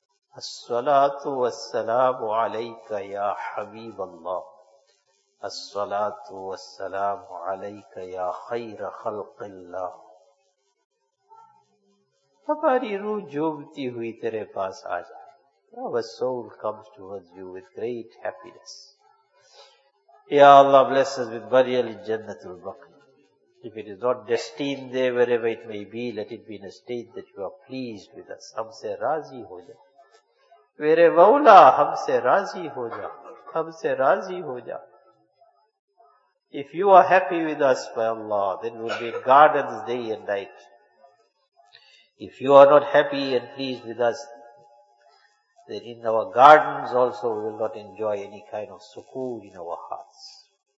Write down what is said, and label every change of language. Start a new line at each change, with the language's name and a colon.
Arabic: الصلاة والسلام عليك يا حبيب الله الصلاة والسلام عليك يا خير خلق الله
Urdu: ہماری روح جھومتی ہوئی تیرے پاس آ جائے.
English: Our soul comes towards you with great happiness. Ya Allah, bless us with burial in Jannatul Baqi. If it is not destined there, wherever it may be, let it be in a state that you are pleased with us.
Urdu: ہم سے راضی ہو جائے. میرے مولا ہم سے راضی ہو جا, ہم سے راضی ہو جا.
English: If you are happy with us, by Allah, then we'll be in gardens day and night. If you are not happy and pleased with us, then in our gardens also we will not enjoy any kind of sukoon in our hearts.